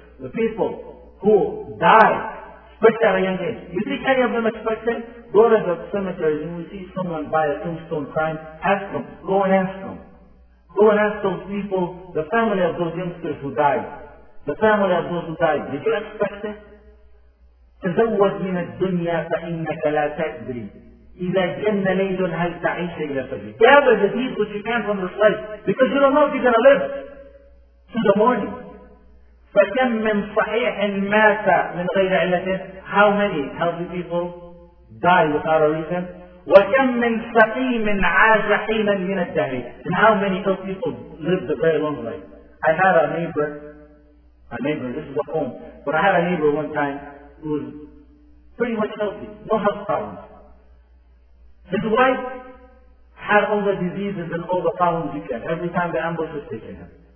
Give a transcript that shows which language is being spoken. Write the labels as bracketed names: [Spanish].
[English] The people who died, especially at a young age. You think any of them expected? Go to the cemetery and you see someone by a tombstone crying. Ask them. Go and ask them. Go and ask those people, the family of those youngsters who died. The family of those who died. Did you expect it? [Arabic] تزوج من الدنيا فإنك لا تدري إذا جن ليل هل تعيش إلى الفجر. [English] Gather the deeds which you can from this life, because you don't know if you're going to live to the morning. [Arabic] فكم من صحيح مات من غير علة. [English] How many healthy people die without a reason? [Arabic] وكم من سقيم عاش حينا من الدهر. [English] And how many ill people lived a very long life? I had a neighbor. This is a home. But I had a neighbor one time who was pretty much healthy, no health problems. His wife had all the diseases and all the problems you can, every time the ambush was taking him.